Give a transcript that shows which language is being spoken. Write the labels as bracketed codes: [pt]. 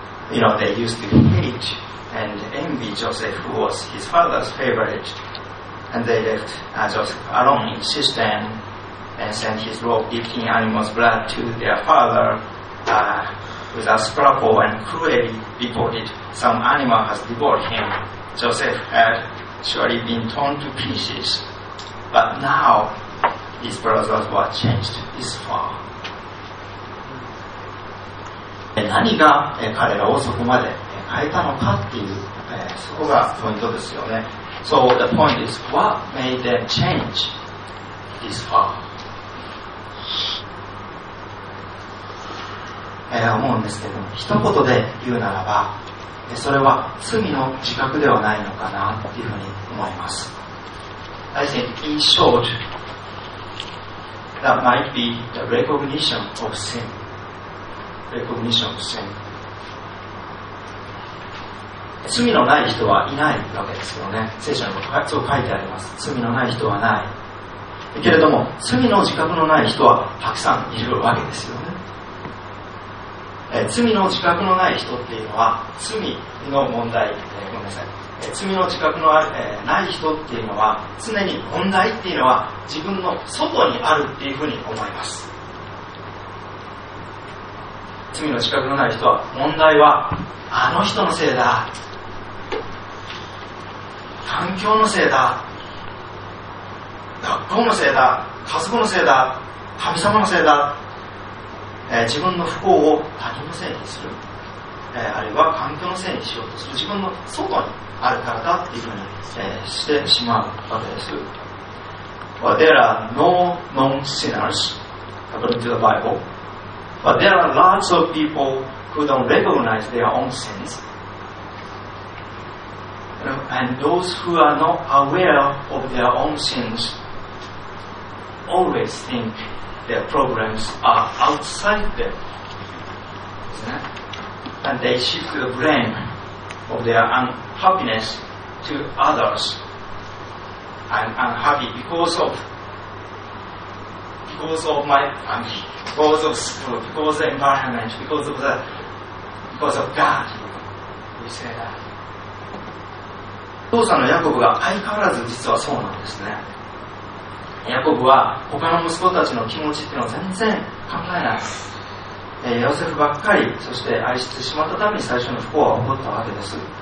[en] You know, they used to hate and envy Joseph, who was his father's favorite, and they left Joseph alone in Shishan and sent his robe dipped in animal's blood to their father with a scruple and cruelly reported some animal has devoured him. Joseph had surely been torn to pieces, but now his brothers were changed this far. [ja] 何が彼らをそこまで変えたのかっていう、そこがポイントですよね。 [en] So the point is, what made them change this far? [ja] 思うんですけども、一言で言うならば、それは罪の自覚ではないのかなっていうふうに思います。 [en] I think in short, that might be the recognition of sin. Recognition of sin. [ja] 罪のない人はいないわけですけどね、聖書にもそう書いてあります。罪のない人はないけれども、罪の自覚のない人はたくさんいるわけですよね。罪の自覚のない人っていうのは罪の問題、ごめんなさい、罪の自覚のない人っていうのは常に問題っていうのは自分の外にあるっていうふうに思います。罪の自覚のない人は問題はあの人のせいだ、環境のせいだ、学校のせいだ、家族のせいだ、神様のせいだ、自分の不幸を他人のせいにする、あるいは環境のせいにしようとする、自分の外にあるからだというふうに、してしまうわけです。 [en] Well, There are no known sinners according to the BibleBut there are lots of people who don't recognize their own sins. And those who are not aware of their own sins always think their problems are outside them. And they shift the blame of their unhappiness to others. I'm unhappy because of the environment, because of God. We say that. [ja] お父さんのヤコブが相変わらず実はそうなんですね。ヤコブは他の息子たちの気持ちっていうのを全然考えない。ヨセフばっかり、そして愛してしまったために最初の不幸は起こったわけです。